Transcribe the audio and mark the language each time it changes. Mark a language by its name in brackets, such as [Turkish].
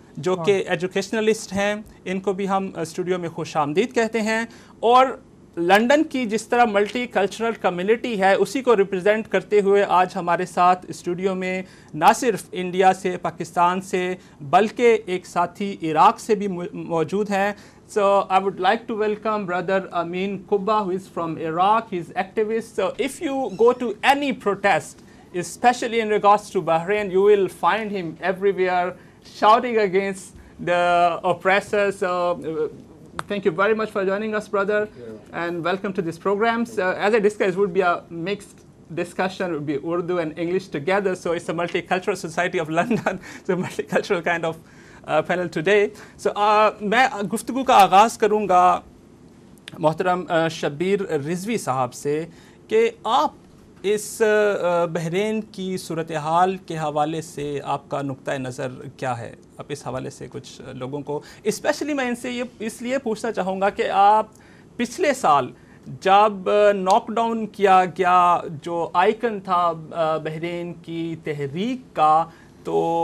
[Urdu] جو کہ ایجوکیشنلسٹ ہیں، ان کو بھی ہم اسٹوڈیو میں خوش آمدید کہتے ہیں، اور لنڈن کی جس طرح ملٹی کلچرل کمیونٹی ہے اسی کو ریپرزینٹ کرتے ہوئے آج ہمارے ساتھ اسٹوڈیو میں نہ صرف انڈیا سے، پاکستان سے، بلکہ ایک ساتھی عراق سے بھی موجود ہیں. [English] So I would like to welcome brother Amin Kubba, who is from Iraq. He's activist. So if you go to any protest, especially in regards to Bahrain, you will find him everywhere shouting against the oppressors. So thank you very much for joining us, brother. And welcome to this program. So as I discussed, it would be a mixed discussion. It would be Urdu and English together. So it's a multicultural society of London. It's a multicultural kind of panel today. [Urdu] سو میں گفتگو کا آغاز کروں گا محترم شبیر رضوی صاحب سے کہ آپ اس بحرین کی صورتحال کے حوالے سے آپ کا نقطۂ نظر کیا ہے؟ آپ اس حوالے سے کچھ لوگوں کو، اسپیشلی میں ان سے یہ اس لیے پوچھنا چاہوں گا کہ آپ پچھلے سال جب ناک ڈاؤن کیا گیا جو آئیکن تھا بحرین کی تحریک کا، تو